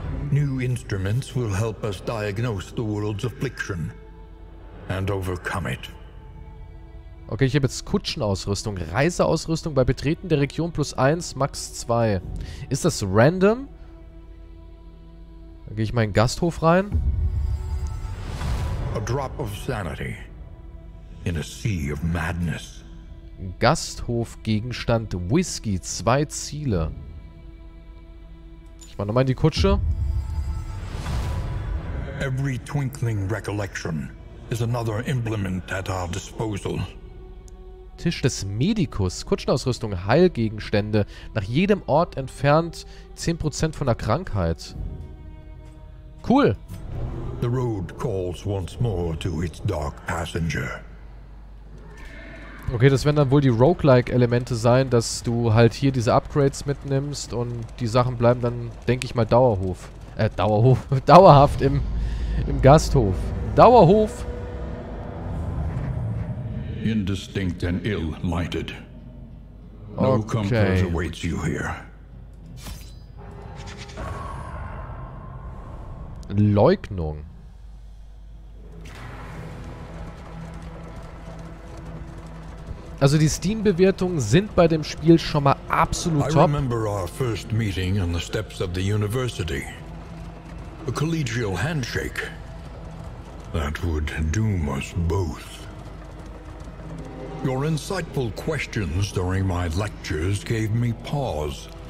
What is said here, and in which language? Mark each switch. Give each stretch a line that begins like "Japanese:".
English: New instruments will help us diagnose the world's affliction. And overcome it.
German: Okay, ich habe jetzt Kutschenausrüstung, Reiseausrüstung bei Betreten der Region plus 1, max 2. Ist das random? Da gehe ich mal in den Gasthof rein.
English: A drop of sanity in a sea of madness.
German: Gasthofgegenstand Whisky, 2 Ziele. Ich mach nochmal in die Kutsche.
English: Every twinkling recollection is another implement at our disposal.
German: Tisch des Medikus, Kutschenausrüstung, Heilgegenstände. Nach jedem Ort entfernt 10% von der Krankheit. Cool.
English: The road calls once more to its dark passenger.
German: Okay, das werden dann wohl die Roguelike-Elemente sein, dass du halt hier diese Upgrades mitnimmst und die Sachen bleiben dann, denke ich mal, dauerhaft im Gasthof. Dauerhof!
English: Indistinct and ill-lighted. No comfort awaits you here.
German: Leugnung. Also die Steam-Bewertungen sind bei dem Spiel schon mal absolut top.
English: I remember our first meeting on the steps of the university. A collegial handshake. That would doom us both. Your insightful questions during my lectures gave me pause.